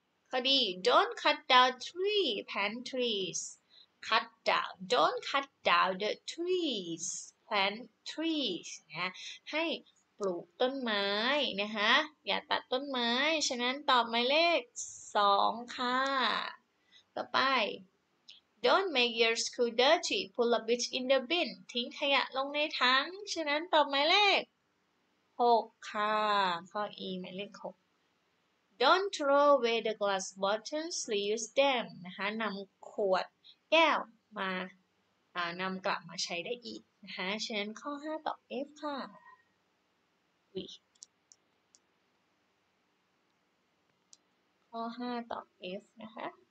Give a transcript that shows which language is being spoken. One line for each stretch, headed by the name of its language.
Thai: ข้อ D
English: Don't cut down tree plant trees
Thai: cut down Don't cut down the trees plant trees นะให้ปลูกต้นไม้นะคะอย่าตัดต้นไม้ฉะนั้นตอบหมายเลข2ค่ะต่อไป
English: Don't make your school dirty. Pull a bit in the bin.
Thai: ทิ้งขยะลงในถังฉะนั้นตอบหมายเลข6ค่ะข้อ E หมายเลข6
English: Don't throw away the glass bottles. Reuse them.
Thai: นะคะนำขวดแก้วมานำกลับมาใช้ได้อีกนะคะฉะนั้นข้อ5ตอบ F ค่ะอุ๊ยข้อ5ตอบ F นะคะ